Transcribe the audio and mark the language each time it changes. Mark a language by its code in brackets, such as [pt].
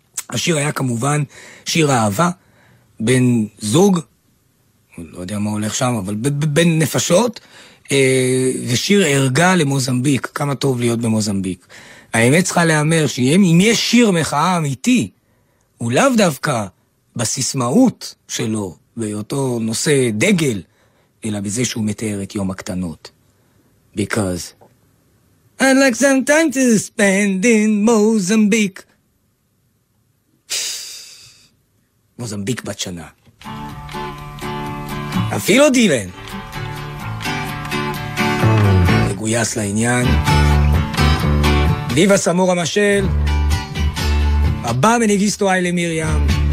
[he] השיר היה כמובן שיר אהבה, בין זוג, לא יודע מה הולך שם, אבל בין נפשות, ושיר ערגה למוזמביק, כמה טוב להיות במוזמביק. האמת צריכה לאמר שאם יש שיר מחאה אמיתי, הוא לאו דווקא בסיסמאות שלו, באותו נושא דגל, אלא בזה שהוא מתאר את יום הקטנות. [en] Because I'd like some time to spend in Mozambique. [he] Mozambique בת שנה. אפילו דילן. מגויס לעניין. ליבה סמור המשל. הבא מנגיסטו איילה מיריאם.